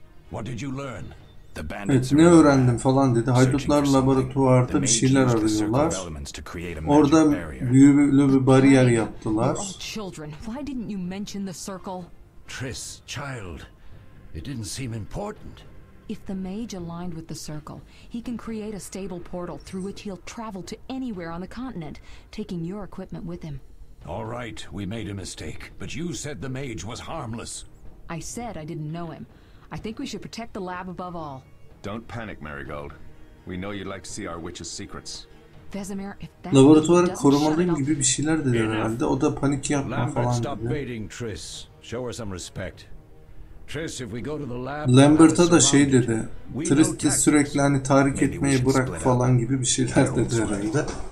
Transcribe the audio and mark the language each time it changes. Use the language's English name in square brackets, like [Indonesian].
[English] What did you learn? [Turkish] Evet, ne öğrendim falan dedi. Haydutlar laboratuvarda bir şeyler arıyorlar. Orada büyülü bir bariyer yaptılar. [English] Why didn't you mention the circle? Triss, child. It didn't seem important. If the mage aligned with the circle, he can create a stable portal through which he'll travel to anywhere on the continent, taking your equipment with him. All right, we made a mistake, but you said the mage was harmless. I said I didn't know him. I think we should protect the lab above all. Don't panic, Marigold. We know you'd like to see our witch's secrets. Vesemir, if that [Turkish] laboratuvarı korumalıyım gibi bir şeyler dedi herhalde. O da panik yapma falan dedi. [English] Lambert, stop baiting Triss. Show her some respect. Triss, if we go to the lab, [Turkish] Lambert'a da şey dedi. Triss'i sürekli hani tahrik etmeye bırak falan gibi bir şeyler dedi herhalde.